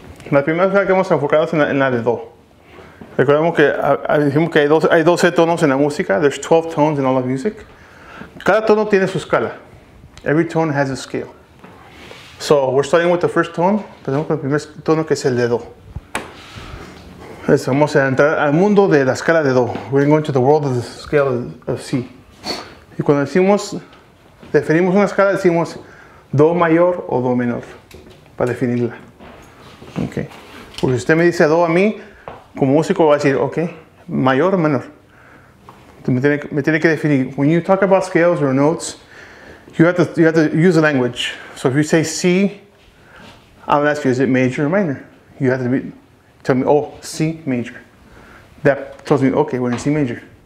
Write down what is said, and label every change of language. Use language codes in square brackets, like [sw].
[es] La primera escala que hemos enfocado es en la de Do. Recordemos que dijimos que hay 12 tonos en la música. [en] There's 12 tones in all of music. [es] Cada tono tiene su escala. [en] Every tone has a scale. So we're starting with the first tone. [es] Empezamos con el primer tono que es el de Do. Vamos a entrar al mundo de la escala de Do. [en] We're going to the world of the scale of C. [es] Y cuando decimos, definimos una escala, decimos Do mayor o Do menor, para definirla. Ok. Porque si usted me dice Do a mí, como músico va a decir, ok, mayor o menor. Entonces me tiene que definir. [en] When you talk about scales or notes, you have to use the language. So if you say C, I'll ask you, is it major or minor? You have to tell me, oh, C major. That tells me, ok, we're in C major.